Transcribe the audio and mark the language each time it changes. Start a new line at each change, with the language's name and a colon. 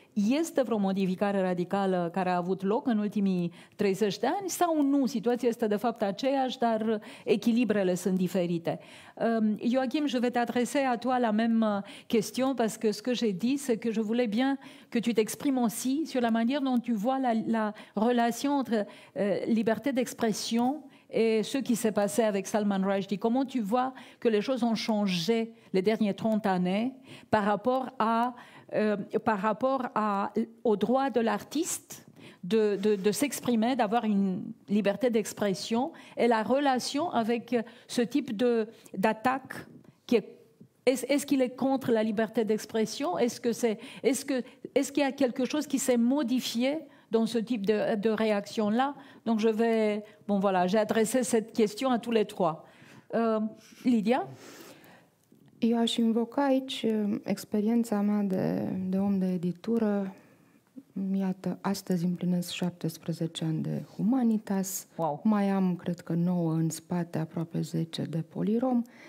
Romanian: Este vreo modificare radicală care a avut loc în ultimii 30 de ani sau nu? Situația este de fapt aceeași, dar echilibrele sunt diferite.
French: Joachim, je vais t'adresser à toi la même question parce que ce que j'ai dit, c'est que je voulais bien que tu t'exprimes aussi sur la manière dont tu vois la relation entre liberté d'expression et ce qui s'est passé avec Salman Rushdie. Comment tu vois que les choses ont changé les dernières 30 années par rapport au droit de l'artiste de s'exprimer, d'avoir une liberté d'expression, et la relation avec ce type d'attaque qui est-ce qu'il est contre la liberté d'expression? Est-ce qu'il y a quelque chose qui s'est modifié dans ce type de réaction-là? Donc je vais... Bon, voilà, j'ai adressé cette question à tous les trois. Lydia?
Romanian: Eu aș invoca aici experiența mea de om de editură. Iată, astăzi împlinesc 17 ani de Humanitas. Wow. Mai am, cred că, 9 în spate, aproape 10 de Polirom.